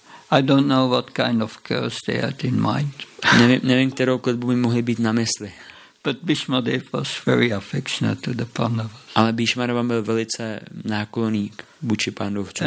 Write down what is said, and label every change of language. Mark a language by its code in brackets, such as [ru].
[en] I don't know what kind of curse they had in mind. [cs] Nevím, kterou kletbu by mohly být na mysli. [en] But Bhishma Dev was very affectionate to the Pandavas. [cs] Ale Bhishma Dev byl velice nákloný k vůči Pandavcům.